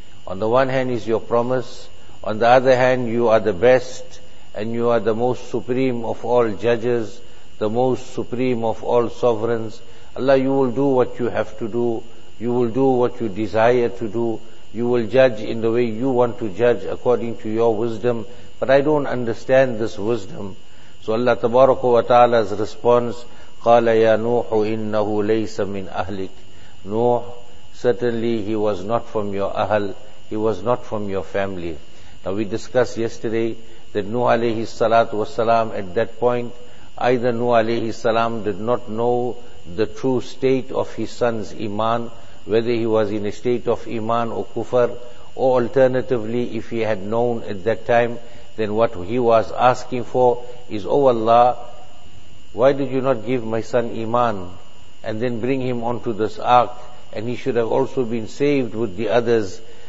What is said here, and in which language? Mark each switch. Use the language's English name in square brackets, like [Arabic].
[English] On the one hand is your promise, on the other hand you are the best, and you are the most supreme of all judges, the most supreme of all sovereigns. Allah, you will do what you have to do, you will do what you desire to do, you will judge in the way you want to judge according to your wisdom, but I don't understand this wisdom. So Allah tabaraka wa ta'ala's response, [Arabic] قَالَ يَا نُوحُ إِنَّهُ لَيْسَ مِنْ أَهْلِكَ. [English] Nuh, certainly he was not from your ahl, he was not from your family. Now we discussed yesterday that Nuh alayhi salatu wasalam, at that point, either Nuh alayhi salam did not know the true state of his son's iman, whether he was in a state of iman or kufr, or alternatively, if he had known at that time, then what he was asking for is, O Allah, why did you not give my son iman and then bring him onto this ark, and he should have also been saved with the others.